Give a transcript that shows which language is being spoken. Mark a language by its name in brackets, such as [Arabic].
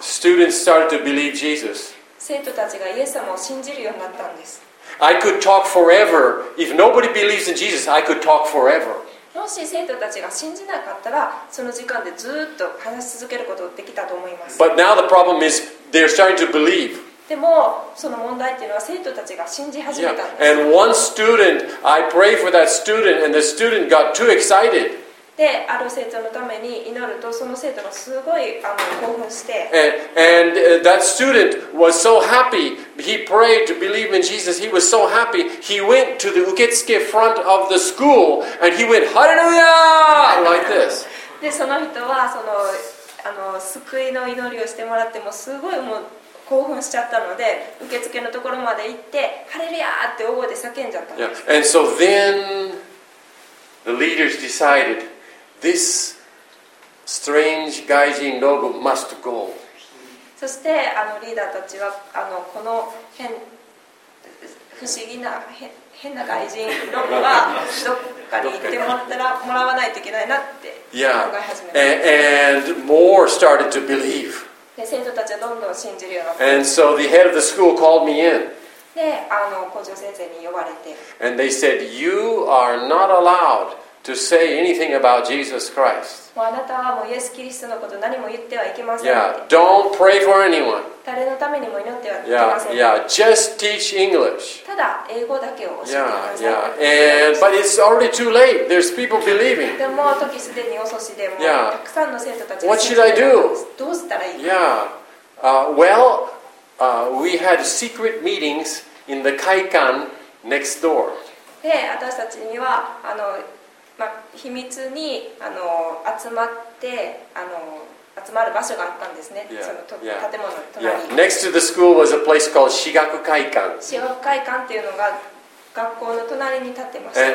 [English] Students started to believe Jesus. [Japanese] 生徒たちがイエス様を信じるようになったんです。 [English] I could talk forever. If nobody believes in Jesus, I could talk forever. [Japanese] もし生徒たちが信じなかったら、その時間でずっと話し続けることができたと思います。 [English] But now the problem is they're starting to believe. [Japanese] でもその問題っていうのは生徒たちが信じ始めたんです。 [English] Yeah. And one student, I pray for that student, and the student got too excited. [Japanese] で、ある生徒のために祈るとその生徒がすごい興奮して [English] and that student was so happy he prayed to believe in Jesus he was so happy he went to the 受付 front of the school and he went hallelujah like this [Japanese] で、その人はその救いの祈りをしてもらってもすごいもう興奮しちゃったので受付のところまで行ってハレルヤーって大声で叫んじゃったんです、 [English] yeah. and so then the leaders decidedThis strange Gaijin Nobu must go. [Japanese] そしてリーダーたちはこの変不思議な変な外人ノブはどっかに行ってもらわないといけないなって考え始めました [English] 。 Yeah. And more started to believe. [Japanese] で、生徒たちはどんどん信じるようになった。 [English] And so the head of the school called me in. [Japanese] で、校長先生に呼ばれて。 [English] And they said, you are not allowed. To say anything about Jesus Christ. [Japanese] もうあなたはもうイエス・キリストのこと何も言ってはいけません。 [English] Yeah, don't pray for anyone. [Japanese] 誰のためにも祈ってはいけません。 [English] Yeah, yeah, just teach English. [Japanese] ただ英語だけを教えてください。 [English] Yeah, yeah, and but it's already too late. There's people believing. [Japanese] でも時すでに遅しでもたくさんの生徒たちが。 [English] What should I do? [Japanese] どうしたらいいか。 [English] Yeah, well, we had secret meetings in the Kaikan next door. [Japanese] で、私たちには秘密に集まって集まる場所があったんですね。 [English] Yeah. [Japanese] その建物の隣に。 [English] Yeah. Yeah. Next to the school was a place called 私学会館。 [Japanese] 私学会館っていうのが学校の隣に建ってました。